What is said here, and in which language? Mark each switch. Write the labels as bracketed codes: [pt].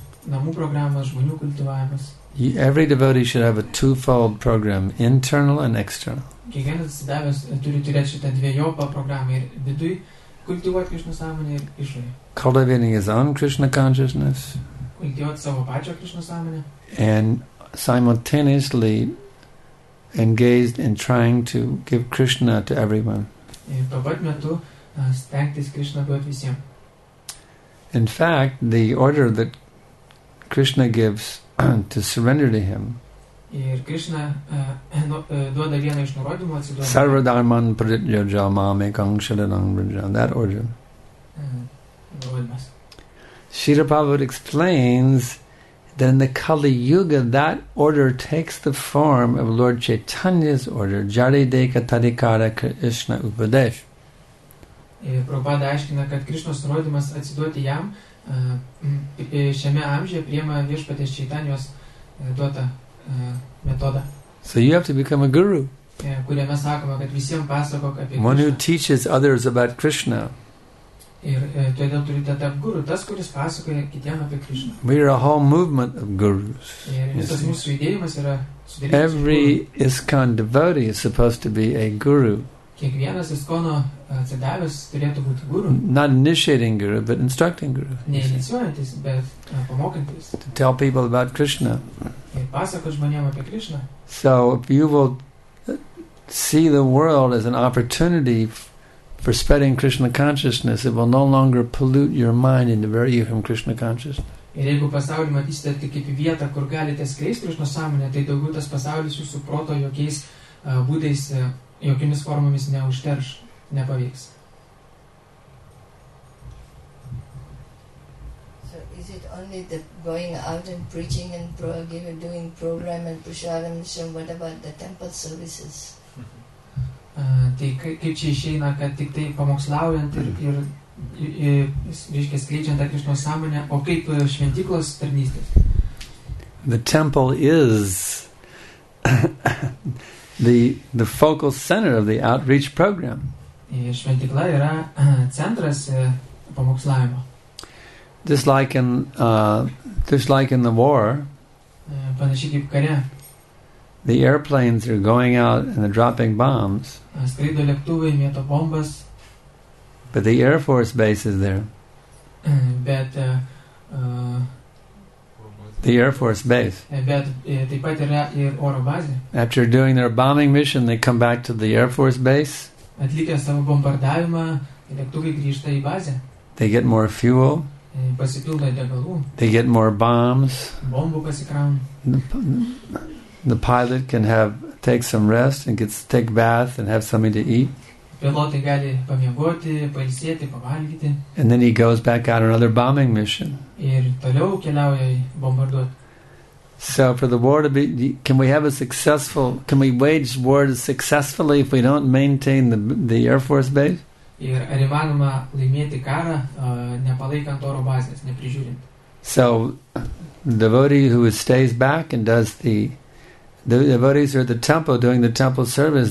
[lt] Namų programas, žmonių kultivavimas. [en] Every devotee should have a twofold program, internal and external. [lt] Kiekvienas devotas turi turėti šitą dviejopą programą ir vidui kultivuoti Krishna sąmonę ir išorėje. [en] Cultivating his own Krishna consciousness. [lt] Kultivuoti savo pačią Krishna sąmonę. [en] And simultaneously engaged in trying to give Krishna to everyone. [lt] Ir tuo pat metu stengtis Krishna duoti visiems. [en] In fact, the order that Krishna gives to surrender to him. [lt] Ir Krishna duoda vieną iš nurodymų atsiduoti. [sa] Sarva dharman pritya jamame kangshalanam vrijam. [en] That order. Srila Prabhupada explains that in the Kali Yuga that order takes the form of Lord Chaitanya's order, [bn] Jari Deka Tadikara Krishna Upadesh. [lt] Prabhupada aiškina, kad Krishnos nurodymas atsiduoti jam šiame amžiuje priema viešpatės Čaitanjos duota metodą. [en] So you have to become a guru. [lt] Kuriame sakoma, kad visiems pasakok apie Krishna. [en] One who teaches others about Krishna. [lt] Ir todėl turite tap guru, tas, kuris pasakoja kitiems apie Krishna. [en] We are a whole movement of gurus. [lt] Ir visas mūsų judėjimas yra sudarytas. [en] Every ISKCON devotee is supposed to be a guru. [lt] Kiekvienas ISKCONo atsidavęs turėtų būti guru. [en] Not initiating guru, but instructing guru. [lt] Neinicijuojantis, bet pamokantis. [en] To tell people about Krishna. [lt] Ir pasakot žmonėm apie Krishna. [en] So if you will see the world as an opportunity for spreading Krishna consciousness, it will no longer pollute your mind and divert you from Krishna consciousness. [lt] Ir jeigu pasaulį matysite tik kaip vietą, kur galite skleisti Krishna sąmonę, tai daugiau tas pasaulis jūsų proto jokiais būdais, jokiomis formomis neužterš, nepavyks. [en] So is it only the going out and preaching and doing program and prasadam mission, what about the temple services? [lt] Tai kaip čia išeina, kad tik tai pamokslaujant ir reiškia skleidžiant tą Krishnos sąmonę, o kaip šventyklos tarnystės? [en] The temple is the focal center of the outreach program. [lt] Šventykla yra centras pamokslavimo. [en] Just like in the war. [lt] Panašiai kaip kare. [en] The airplanes are going out and they're dropping bombs. [lt] Skrido lėktuvai, mėto bombas. [en] But the Air Force base is there. [lt] Bet [en] the Air Force base. [lt] Bet taip pat yra ir oro bazė. [en] After doing their bombing mission, they come back to the Air Force base. [lt] Atlikę savo bombardavimą, lėktuvai grįžta į bazę. [en] They get more fuel. [lt] Pasipildo degalų. [en] They get more bombs. [lt] Bombų pasikrauna. [en] The pilot can take some rest and take bath and have something to eat. [lt] Pilotai gali pamiegoti, pailsėti, pavalgyti. [en] And then he goes back out on another bombing mission. [lt] Ir toliau keliauja bombarduoti. [en] So for the war to be, can we wage war successfully if we don't maintain the Air Force base? [lt] Ir ar įmanoma laimėti karą, nepalaikant oro bazės, neprižiūrint. [en] So the devotee who stays back and does the devotees are at the temple doing the temple service.